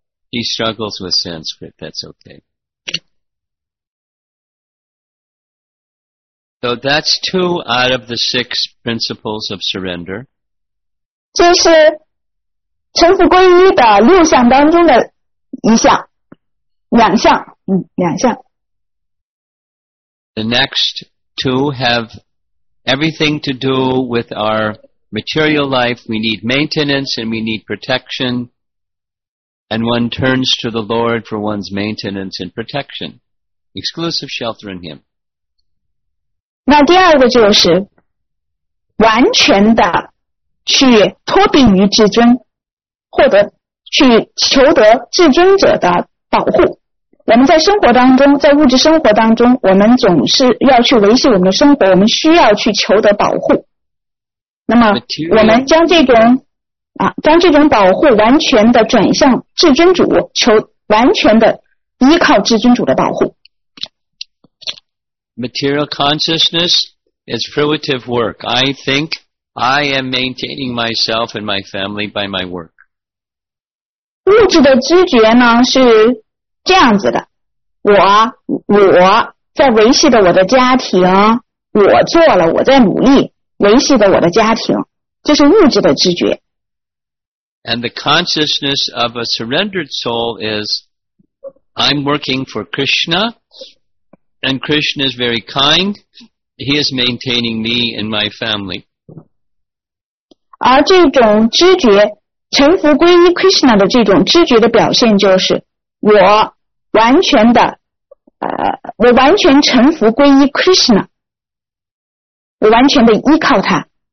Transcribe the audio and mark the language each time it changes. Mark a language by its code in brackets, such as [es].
[en] He struggles with Sanskrit, that's okay. So that's two out of the six principles of surrender. [zh] 这是臣服皈依的六项当中的一项两项两项 [en] The next two have everything to do with our material life we need maintenance and we need protection and one turns to the Lord for one's maintenance and protection exclusive shelter in him [zh] 那第二个就是完全的去托病于至尊获得去求得至尊者的保护我们在生活当中在物质生活当中我们总是要去维系我们的生活我们需要去求得保护那么我们将这种将这种保护完全的转向至尊主求完全的依靠至尊主的保护 [en] Material consciousness is fruitive work I think I am maintaining myself and my family by my work [zh] 物质的知觉呢是这样子的我在维系着我的家庭我做了我在努力维系着我的家庭这是物质的知觉 [en] And the consciousness of a surrendered soul is I'm working for Krishna and Krishna is very kind he is maintaining me and my family [zh] 而这种知觉臣服皈依 Krishna 的这种知觉的表现就是我完全臣服皈依 Krishna 我完全的依靠他